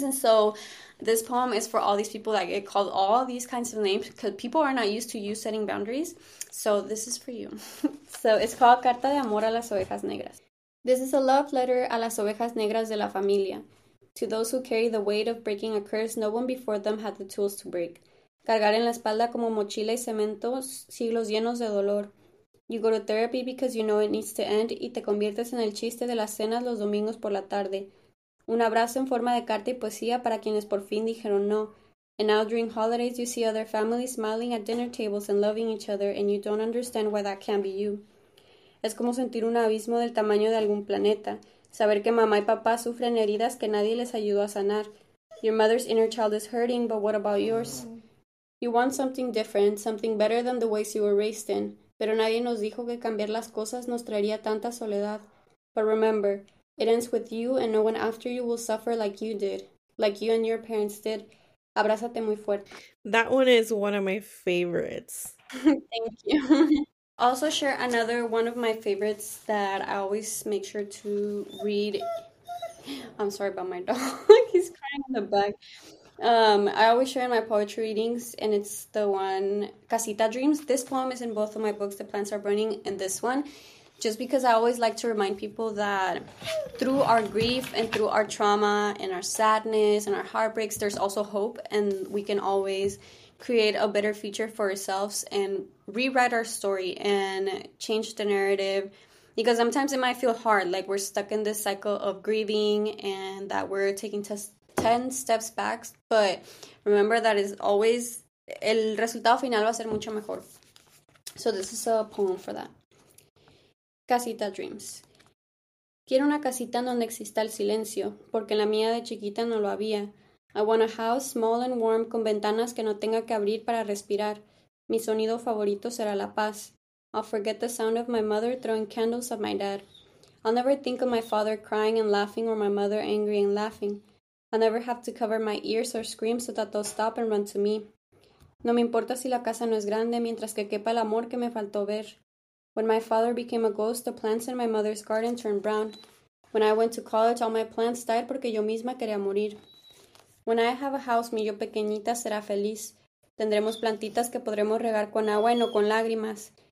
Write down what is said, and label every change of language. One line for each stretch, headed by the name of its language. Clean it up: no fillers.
English: And so this poem is for all these people that get called all these kinds of names because people are not used to you setting boundaries. So this is for you. So it's called Carta de Amor a las Ovejas Negras. This is a love letter
Spanish: a las ovejas negras de la familia.
English: To those who carry the weight of breaking a curse no one before them had the tools to break.
Spanish: Cargar en la espalda como mochila y cemento, siglos llenos de dolor.
English: You go to therapy because you know it needs to end
Spanish: y te conviertes en el chiste de las cenas los domingos por la tarde. Un abrazo en forma de carta y poesía para quienes por fin dijeron no.
English: And now during holidays you see other families smiling at dinner tables and loving each other and you don't understand why that can't be you.
Spanish: Es como sentir un abismo del tamaño de algún planeta. Saber que mamá y papá sufren heridas que nadie les ayudó a sanar.
English: Your mother's inner child is hurting, but what about yours? You want something different, something better than the ways you were raised in.
Spanish: Pero nadie nos dijo que cambiar las cosas nos traería tanta soledad.
English: But remember, it ends with you and no one after you will suffer like you did. Like you and your parents did.
Spanish: Abrázate muy fuerte.
English: That one is one of my favorites. Thank you. Also share another one of my favorites that I always make sure to read. I'm sorry about my dog. He's crying in the back. I always share in my poetry readings, and it's the one, Casita Dreams. This poem is in both of my books, The Plants Are Burning, and this one. Just because I always like to remind people that through our grief and through our trauma and our sadness and our heartbreaks, there's also hope, and we can always create a better future for ourselves and rewrite our story and change the narrative. Because sometimes it might feel hard, like we're stuck in this cycle of grieving and that we're taking 10 steps back. But remember that is always,
Spanish: el resultado final va a ser mucho mejor.
English: So this is a poem for that. Casita Dreams.
Spanish: Quiero una casita en donde exista el silencio, porque la mía de chiquita no lo había.
English: I want a house small and warm
Spanish: con ventanas que no tenga que abrir para respirar. Mi sonido favorito será la paz.
English: I'll forget the sound of my mother throwing candles at my dad. I'll never think of my father crying and laughing or my mother angry and laughing. I'll never have to cover my ears or scream so that they'll stop and run to me.
Spanish: No me importa si la casa no es grande mientras que quepa el amor que me faltó ver.
English: When my father became a ghost, the plants in my mother's garden turned brown. When I went to college, all my plants died
Spanish: porque yo misma quería morir.
English: When I have a house,
Spanish: mi yo pequeñita será feliz. Tendremos plantitas que podremos regar con agua y no con lágrimas.